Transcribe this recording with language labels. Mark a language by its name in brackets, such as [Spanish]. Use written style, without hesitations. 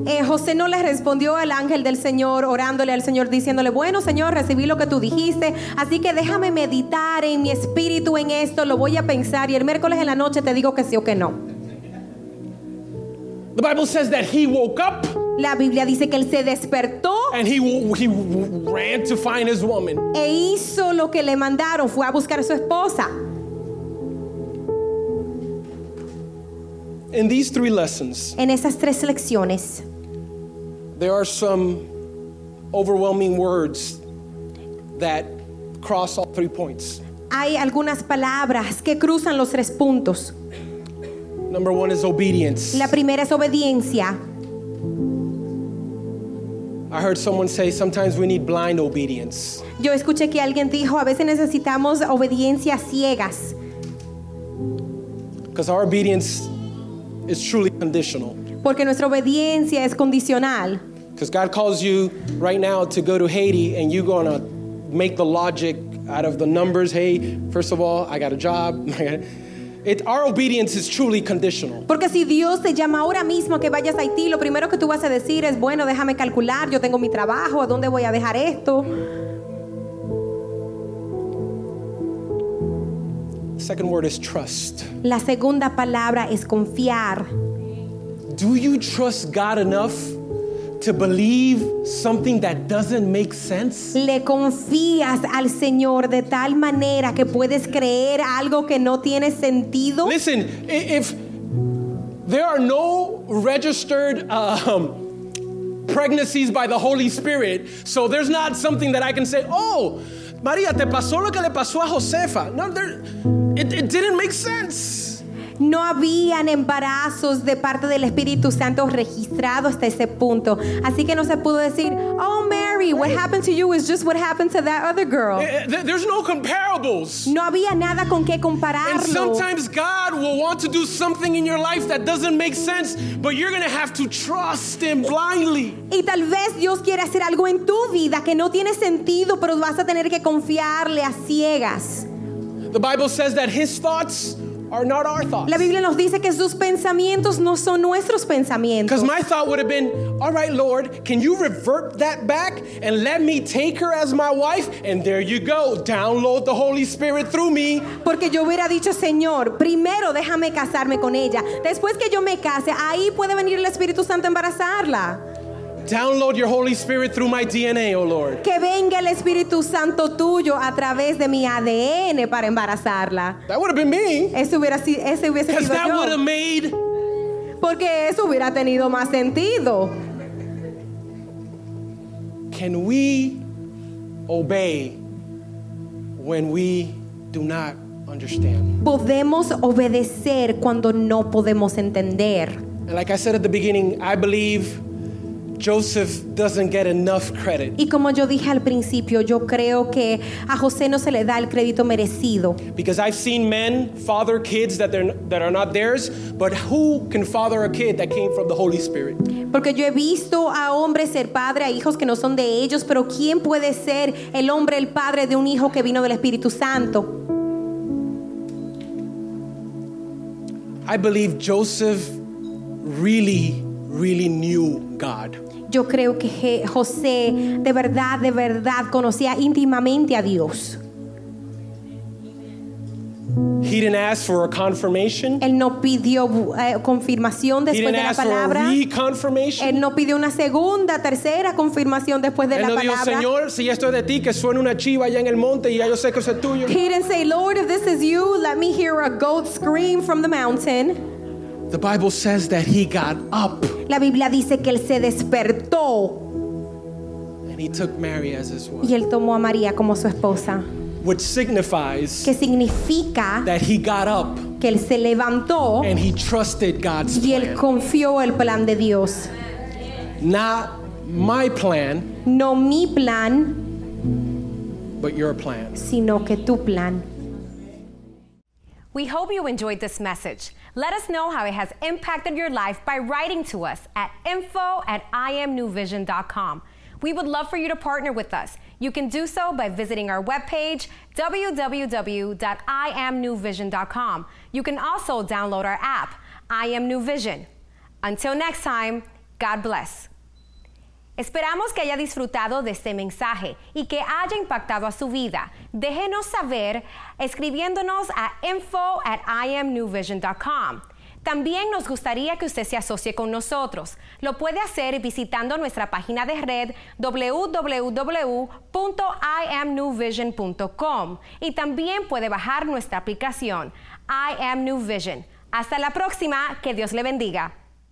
[Spanish] José no le respondió al ángel del Señor, orándole al Señor, diciéndole, bueno, Señor, recibí lo que tú dijiste, así que déjame meditar en mi espíritu en esto, lo voy a pensar, y el miércoles en la noche te digo que sí o que no. [English] The Bible says that he woke up. [Spanish] La Biblia dice que él se despertó. [English] And he ran to find his woman. [Spanish] E hizo lo que le mandaron, fue a buscar a su esposa. [English] In these three lessons. [Spanish] En esas tres lecciones. [English] There are some overwhelming words that cross all three points. [Spanish] Hay algunas palabras que cruzan los tres puntos. [English] Number one is obedience. [Spanish] La primera es obediencia. [English] I heard someone say sometimes we need blind obedience. [Spanish] Yo escuché que alguien dijo a veces necesitamos obediencia ciegas. [English] Because our obedience is truly conditional. [Spanish] Porque nuestra obediencia es condicional. [English] Because God calls you right now to go to Haiti and you're gonna make the logic out of the numbers. Hey, first of all, I got a job. Our obedience is truly conditional. [Spanish] Porque si Dios te llama ahora mismo que vayas a Haití, lo primero que tú vas a decir es, bueno, déjame calcular, yo tengo mi trabajo, ¿a dónde voy a dejar esto? [English] Second word is trust. [Spanish] La segunda palabra es confiar. [English] Do you trust God enough to believe something that doesn't make sense? [Spanish] ¿Le confías al Señor de tal manera que puedes creer algo que no tiene sentido? [English] Listen, if there are no registered pregnancies by the Holy Spirit, so there's not something that I can say, oh, María, [Spanish] te pasó lo que le pasó a Josefa. [English] No, it didn't make sense. [Spanish] No habían embarazos de parte del Espíritu Santo registrados hasta ese punto. Así que no se pudo decir, [English] oh Mary, what happened to you is just what happened to that other girl. There's no comparables. [Spanish] No había nada con qué compararlo. [English] And sometimes God will want to do something in your life that doesn't make sense, but you're going to have to trust Him blindly. [Spanish] Y tal vez Dios quiere hacer algo en tu vida que no tiene sentido, pero vas a tener que confiarle a ciegas. [English] The Bible says that His thoughts are not our thoughts. [Spanish] La Biblia nos dice que sus pensamientos no son nuestros pensamientos. [English] Because my thought would have been, all right, Lord, can you revert that back and let me take her as my wife? And there you go, download the Holy Spirit through me. [Spanish] Porque yo hubiera dicho, Señor, primero déjame casarme con ella. Después que yo me case, ahí puede venir el Espíritu Santo a embarazarla. [English] Download your Holy Spirit through my DNA, oh Lord. [Spanish] Que venga el Espíritu Santo tuyo a través de mi ADN para embarazarla. [English] That would have been me. [Spanish] Eso hubiera sido, ese hubiese sido yo. [English] Because that would have made. [Spanish] Porque eso hubiera tenido más sentido. [English] Can we obey when we do not understand? [Spanish] Podemos obedecer cuando no podemos entender. [English] Like I said at the beginning, I believe Joseph doesn't get enough credit. [Spanish] Y como yo dije al principio, yo creo que a José no se le da el crédito merecido. [English] Because I've seen men father kids that are not theirs, but who can father a kid that came from the Holy Spirit? [Spanish] Porque yo he visto a hombres ser padre a hijos que no son de ellos, pero ¿quién puede ser el hombre el padre de un hijo que vino del Espíritu Santo? [English] I believe Joseph really, really knew God. [Spanish] Yo creo que José de verdad conocía íntimamente a Dios. [English] He didn't ask for a confirmation. [Spanish] Él no pidió confirmación después de la palabra. [English] He didn't ask for a reconfirmation. [Spanish] Él no pidió una segunda, tercera confirmación después de la palabra. Él no dijo, Señor, si esto es de ti, que suene una chiva allá en el monte y ya yo sé que eso es tuyo. [English] He didn't say, Lord, if this is you, let me hear a goat scream from the mountain. The Bible says that he got up. [Spanish] La Biblia dice que él se despertó. [English] And he took Mary as his wife. [Spanish] Y él tomó a María como su esposa. [English] Which signifies [Spanish] que significa [English] that he got up, [Spanish] que él se levantó, [English] and he trusted God's plan. [Spanish] Y él confió el plan de Dios. [English] Not my plan, [Spanish] no mi plan, [English] but your plan, [Spanish] sino que tu plan. [English] We hope you enjoyed this message. Let us know how it has impacted your life by writing to us at info@imnewvision.com. We would love for you to partner with us. You can do so by visiting our webpage, www.imnewvision.com. You can also download our app, I Am New Vision. Until next time, God bless. [Spanish] Esperamos que haya disfrutado de este mensaje y que haya impactado a su vida. Déjenos saber escribiéndonos a info@imnewvision.com. También nos gustaría que usted se asocie con nosotros. Lo puede hacer visitando nuestra página de red www.imnewvision.com y también puede bajar nuestra aplicación I Am New Vision. Hasta la próxima. Que Dios le bendiga.